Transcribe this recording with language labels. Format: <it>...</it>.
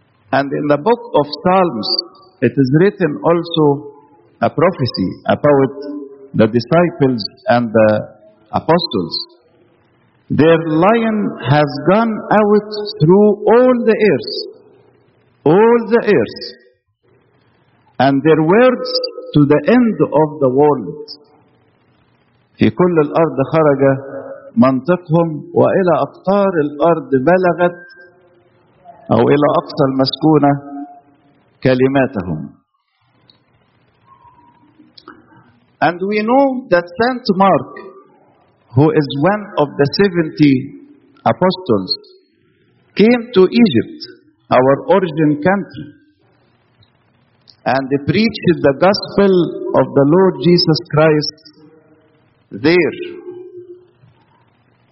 <en>And in the book of Psalms, it is written also a prophecy about the disciples and the apostles. "Their lion has gone out through all the earth, all the earth, and their words to the end of the world.</en> <ar>في كل الأرض خرج منطقهم وإلى أقطار الأرض بلغت أو إلى أقصى المسكونة كلماتهم."</ar> <en>And we know that Saint Mark, who is one of the 70 apostles, came to Egypt, our origin country, and preached the gospel of the Lord Jesus Christ there.</en>